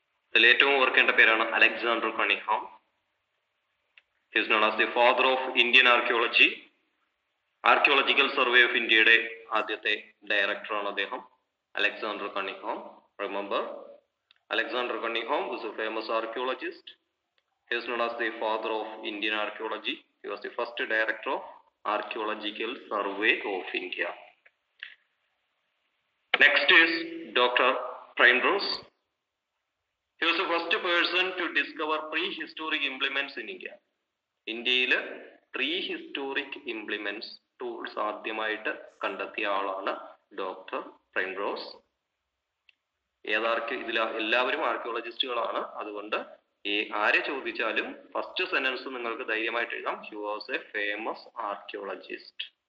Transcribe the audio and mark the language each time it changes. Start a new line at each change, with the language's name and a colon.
Malayalam: അതിൽ ഏറ്റവും ഓർക്കേണ്ട പേരാണ്
English: Alexander Cunningham. He is known as the father of Indian archaeology.
Malayalam: Archaeological survey of ഇന്ത്യയുടെ ആദ്യത്തെ ഡയറക്ടറാണ് അദ്ദേഹം, Alexander കണിഹാം.
English: Remember, Alexander Cunningham is a famous archaeologist. He is known as the father of Indian archaeology. He was the first director of Archaeological Survey of India. Next is Dr. Primrose. He was the first person to discover prehistoric implements in India.
Malayalam: ഇന്ത്യയിലെ
English: prehistoric implements tools
Malayalam: ആദ്യമായിട്ട് കണ്ടെത്തിയ ആളാണ് doctor പ്രൈംറോസ്. ഏതാർക്ക് ഇതിൽ എല്ലാവരും ആർക്കിയോളജിസ്റ്റുകളാണ്, അതുകൊണ്ട് ഈ ആരെ ചോദിച്ചാലും ഫസ്റ്റ് സെന്റൻസ് നിങ്ങൾക്ക് ധൈര്യമായിട്ട് എഴുതാം,
English: He was a famous archaeologist.